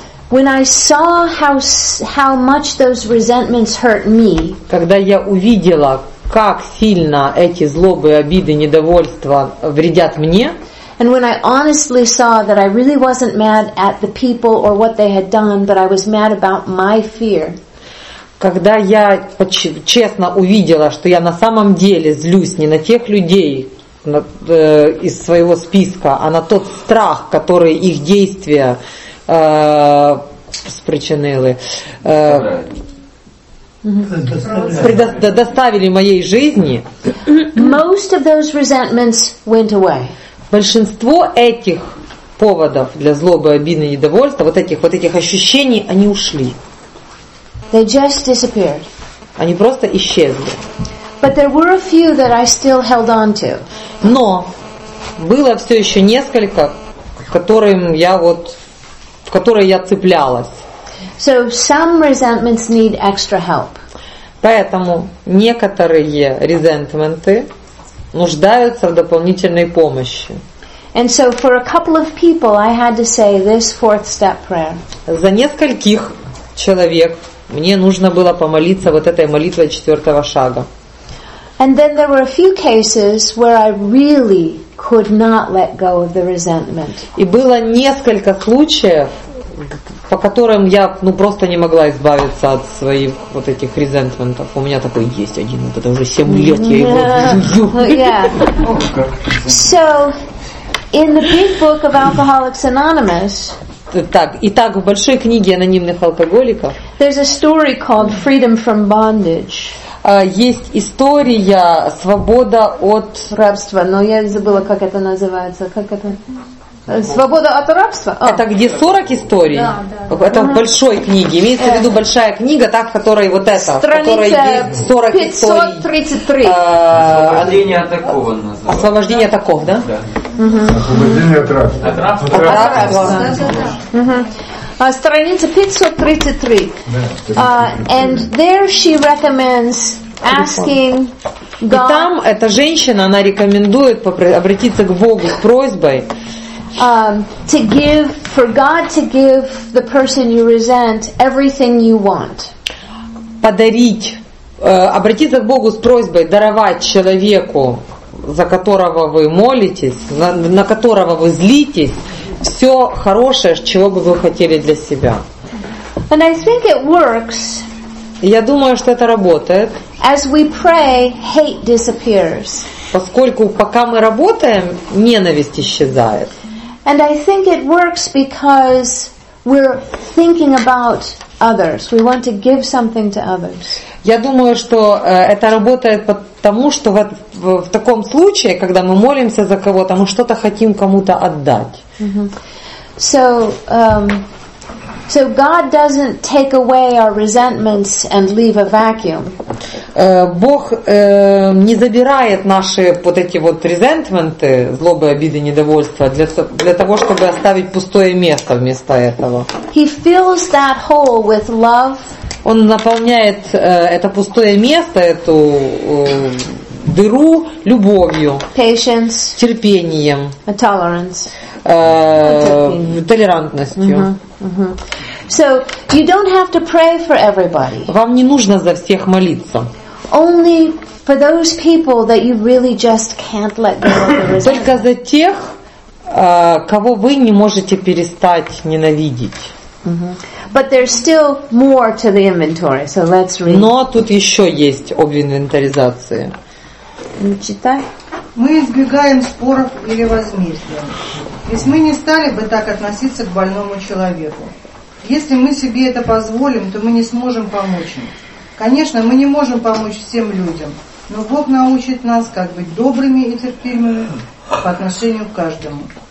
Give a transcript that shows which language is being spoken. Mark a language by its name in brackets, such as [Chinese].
[English] When I saw how much those resentments hurt me. [Russian] Когда я увидела, как сильно эти злобы, обиды, недовольства вредят мне. [English] And when I honestly saw that I really wasn't mad at the people or what they had done, but I was mad about my fear. [Russian] Когда я честно увидела, что я на самом деле злюсь не на тех людей из своего списка, а на тот страх, который их действия спричинили, доставили моей жизни. [English] Most of those resentments went away. [Russian] Большинство этих поводов для злобы, обиды, недовольства, вот этих ощущений, они ушли. [English] They just disappeared. [Russian] Они просто исчезли. [English] But there were a few that I still held on to. [Russian] Но было все еще несколько, в которые я цеплялась. [English] So some resentments need extra help. [Russian] Поэтому некоторые резентменты нуждаются в дополнительной помощи. [English] And so for a couple of people I had to say this fourth step prayer. [Russian] За нескольких человек мне нужно было помолиться вот этой молитвой четвертого шага. [English] And then there were a few cases where I really could not let go of the resentment. [Russian] И было несколько случаев, по которым я просто не могла избавиться от своих вот этих резентментов. У меня такой есть один, вот это уже 7 лет я его жую. [English] Yeah. So, in the big book of Alcoholics Anonymous, [Russian] итак, в большой книге анонимных алкоголиков, [English] there's a story called Freedom from Bondage. [Russian] Есть история «Свобода от рабства». Но я забыла, как это называется. Как это? «Свобода от рабства»? [English] Oh. [Russian] Это где 40 историй? Да. Это в большой книге. Имеется в виду большая книга, та, в которой вот эта. Страница в которой есть 40 533. «Освобождение от такого» называется. «Освобождение от таков», да? Да. «Освобождение от рабства». От рабства. От рабства. Страница 533. [English] And there she recommends asking God. [Russian] И там эта женщина, она рекомендует обратиться к Богу с просьбой. [English] To give, for God to give the person you resent everything you want. [Russian] Подарить, обратиться к Богу с просьбой даровать человеку, за которого вы молитесь, на которого вы злитесь, все хорошее, чего бы вы хотели для себя. [English] And I think it works. [Russian] Я думаю, что это работает. [English] As we pray, hate disappears. [Russian] Поскольку пока мы работаем, ненависть исчезает. [English] And I think it works because we're thinking about others. We want to give something to others. [Russian] Я думаю, что это работает потому, что в таком случае, когда мы молимся за кого-то, мы что-то хотим кому-то отдать. Mm-hmm. [English] So God doesn't take away our resentments and leave a vacuum. [Russian] Бог не забирает наши вот эти вот резентменты, злобы, обиды, недовольства для того, чтобы оставить пустое место вместо этого. [English] He fills that hole with love. [Russian] Он наполняет это пустое место, эту дыру любовью, [English] patience, [Russian] терпением, [English] a tolerance, [Russian] толерантностью. [English] So you don't have to pray for everybody. [Russian] Вам не нужно за всех молиться. [English] Only for those people that you really just can't let go of. [Russian] Только за тех, кого вы не можете перестать ненавидеть. [English] But there's still more to the inventory, so let's read. [Russian] Но тут еще есть об инвентаризации. Читай. Мы избегаем споров или возмездия, ведь мы не стали бы так относиться к больному человеку. Если мы себе это позволим, то мы не сможем помочь им. Конечно, мы не можем помочь всем людям, но Бог научит нас, как быть добрыми и терпимыми по отношению к каждому.